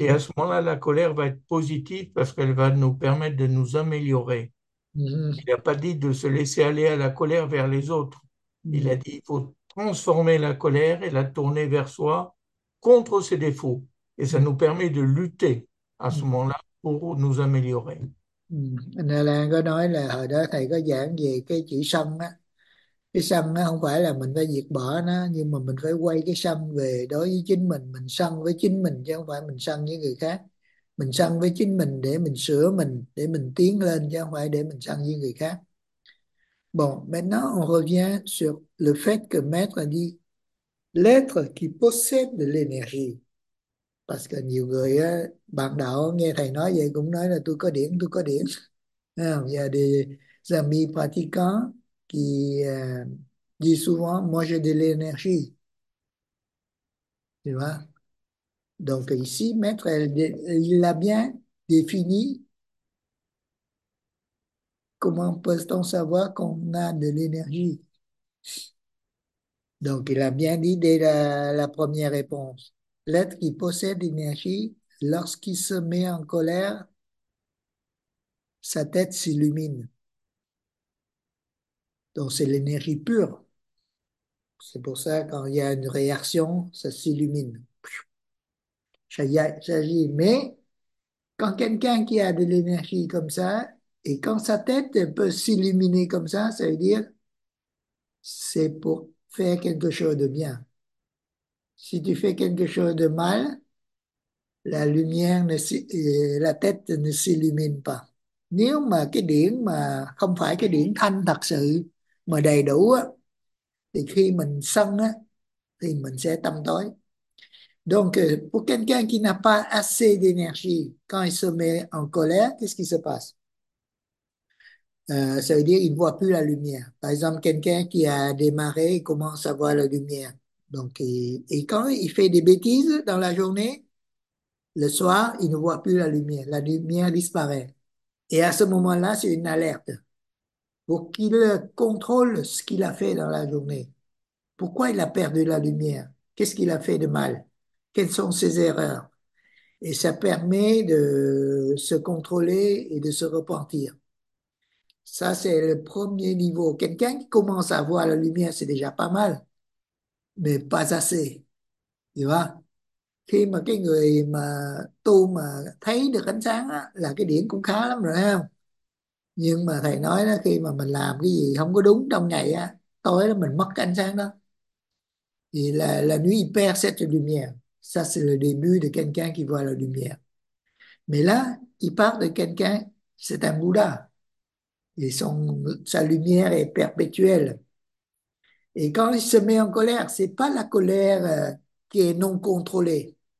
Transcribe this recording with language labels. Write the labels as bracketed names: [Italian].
[French] Et à ce moment-là, la colère va être positive parce qu'elle va nous permettre de nous améliorer. Mmh. Il n'a pas dit de se laisser aller à la colère vers les autres. Il a dit qu'il faut transformer la colère et la tourner vers soi contre ses défauts. Et ça nous permet de lutter à ce moment-là pour nous améliorer. [Vietnamese] Nên anh có nói là hồi đó thầy có giảng về cái chữ sân á. Cái sân nó không phải là mình phải diệt bỏ nó, nhưng mà mình phải quay cái sân về đối với chính mình sân với chính mình chứ không phải mình sân với người khác. Mình sân với chính mình để mình sửa mình, để mình tiến lên chứ không phải để mình sân với người khác. [French] Bon, maintenant on revient sur le fait que Maître a dit l'être qui possède de l'énergie. Parce que [Vietnamese] nhiều người bạn đạo nghe thầy nói vậy cũng nói là tôi có điển. [French] Il y a des amis pratiquants qui disent souvent moi j'ai de l'énergie. Tu vois? Donc ici, Maître, il a bien défini. Comment peut-on savoir qu'on a de l'énergie? Donc, il a bien dit dès la première réponse. L'être qui possède l'énergie, lorsqu'il se met en colère, sa tête s'illumine. Donc, c'est l'énergie pure. C'est pour ça, quand il y a une réaction, ça s'illumine. Mais, quand quelqu'un qui a de l'énergie comme ça, et quand sa tête peut s'illuminer comme ça, ça veut dire c'est pour faire quelque chose de bien. Si tu fais quelque chose de mal, la lumière la tête ne s'illumine pas. [Vietnamese] Nếu mà cái điển mà không phải cái điển thanh thật sự mà đầy đủ á, thì khi mình sân á, thì mình sẽ tâm tối. [French] Donc, pour quelqu'un qui n'a pas assez d'énergie, quand il se met en colère, qu'est-ce qui se passe? Ça veut dire qu'il ne voit plus la lumière. Par exemple, quelqu'un qui a démarré, il commence à voir la lumière. Donc, et quand il fait des bêtises dans la journée, le soir, il ne voit plus la lumière. La lumière disparaît. Et à ce moment-là, c'est une alerte pour qu'il contrôle ce qu'il a fait dans la journée. Pourquoi il a perdu la lumière? Qu'est-ce qu'il a fait de mal? Quelles sont ses erreurs? Et ça permet de se contrôler et de se repentir. Ça, c'est le premier niveau. Quelqu'un qui commence à voir la lumière, c'est déjà pas mal, mais pas assez. Tu vois? [Vietnamese] Khi mà cái người mà tu mà thấy được ánh sáng á, là cái điểm cũng khá lắm rồi ha. Nhưng mà thầy nói là khi mà mình làm cái gì không có đúng trong ngày á, tối đó mình mất cái ánh sáng đó. Thì là [French] la nuit perd cette lumière. Ça, c'est le début de quelqu'un qui voit la lumière. Mais là, il part de quelqu'un, c'est un Bouddha. Et sa lumière est perpétuelle. Et quand il se met en colère, c'est pas la colère qui est non contrôlée.